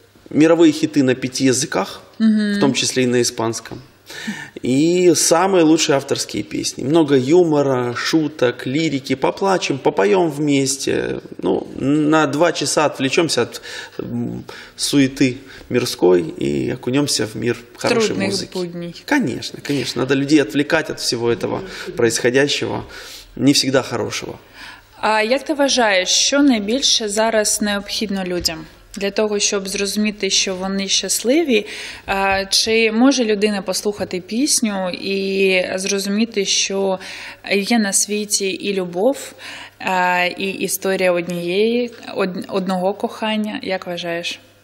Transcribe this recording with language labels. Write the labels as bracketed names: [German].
[Ukrainian] Мірові хіти на 5 язиках, в тому числі і на іспанському. [Russian] І самые лучшие авторские песни. Много юмора, шуток, лирики. Поплачем, попоем вместе. Ну, на 2 часа отвлечемся от суеты мирской и окунемся в мир хорошей трудных музыки. Будней. Конечно, конечно. Надо людей отвлекать от всего этого происходящего, не всегда хорошего. [Ukrainian] А як ти вважаєш, що найбільше зараз необхідно людям? Для того, щоб зрозуміти, що вони щасливі, чи може людина послухати пісню і зрозуміти, що є на світі і любов, і історія одного кохання, як вважаєш?